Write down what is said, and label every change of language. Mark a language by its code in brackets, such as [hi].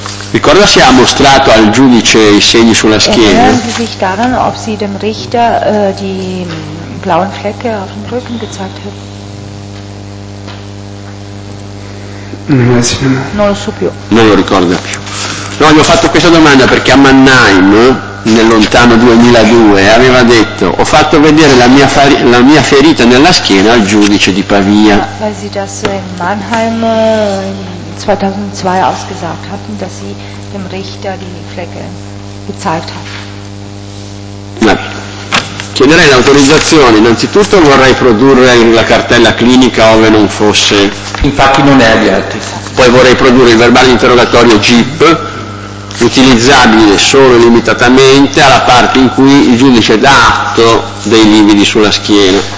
[it] Ricorda se ha mostrato al giudice i segni sulla schiena? [de] Erinnern Sie sich daran, ob Sie dem Richter die blauen Flecke auf dem Rücken gezeigt haben? [it] Non lo so più. Non lo ricorda più. No, gli ho fatto questa domanda perché a Mannheim nel lontano 2002, aveva detto: ho fatto vedere la mia ferita nella schiena al giudice di Pavia. [de] Weil sie das in Mannheim 2002 ausgesagt hatten, dass sie dem Richter die Flecke gezeigt haben. [it] Chiederei l'autorizzazione, innanzitutto vorrei produrre la cartella clinica ove non fosse. Infatti non è abbiato. Poi vorrei produrre il verbale di interrogatorio GIP, utilizzabile solo limitatamente alla parte in cui il giudice dà atto dei lividi sulla schiena.